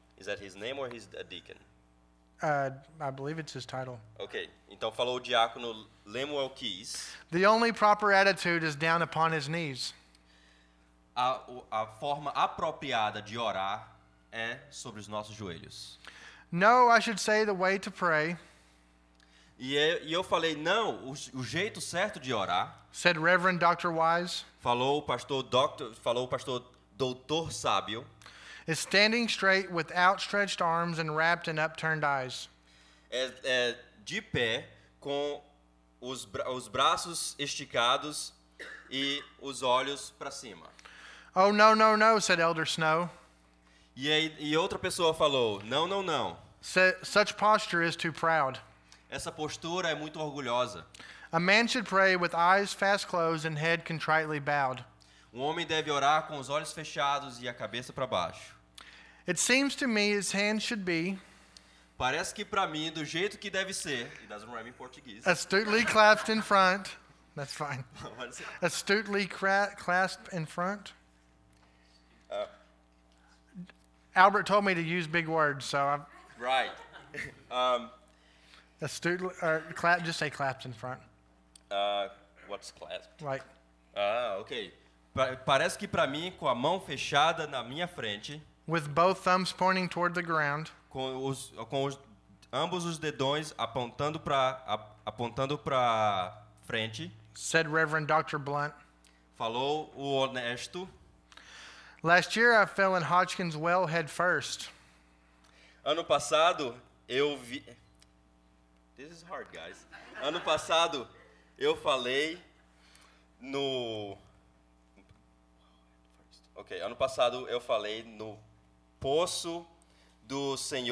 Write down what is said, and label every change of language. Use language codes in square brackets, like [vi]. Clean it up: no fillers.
[en] Is that his name or he's a deacon? I believe it's his title. [pt] Okay. Então falou o diácono Lemuel Keyes. [en] The only proper attitude is down upon his knees. [pt] A forma apropriada de orar é sobre os nossos joelhos. [en] No, I should say the way to pray. [pt] E eu falei não, o jeito certo de orar. [en] Said Reverend Dr. Wise. [pt] Falou o pastor Doutor Sábio. [en] Is standing straight with outstretched arms and wrapped in upturned eyes. [pt] É de pé com os braços esticados e os olhos para cima. [en] Oh, no, no, no, said Elder Snow. [pt] E outra pessoa falou, não, não, não. [en] Such posture is too proud. [pt] Essa postura é muito orgulhosa. [en] A man should pray with eyes fast closed and head contritely bowed. [pt] Um homem deve orar com os olhos fechados e a cabeça para baixo. [en] It seems to me his hand should be... [pt] Parece que para mim, do jeito que deve ser... [en] It doesn't rhyme in Portuguese. Astutely clasped in front. That's fine. Astutely clasped in front. Albert told me to use big words, so I'm... Right. Astutely, or clap, just say clasped in front. What's clasped? Like... Okay. [pt] Parece que pra mim, com a mão fechada na minha frente... [en] With both thumbs pointing toward the ground. [pt] Ambos os dedões apontando pra frente. [en] Said Reverend Dr. Blunt. [pt] Falou o honesto. [en] Last year I fell in Hodgkin's well head first. [pt] Ano passado eu vi. [en] This is hard, guys. [pt] Ano passado eu falei no... Ok, ano passado eu falei no poço do Sr.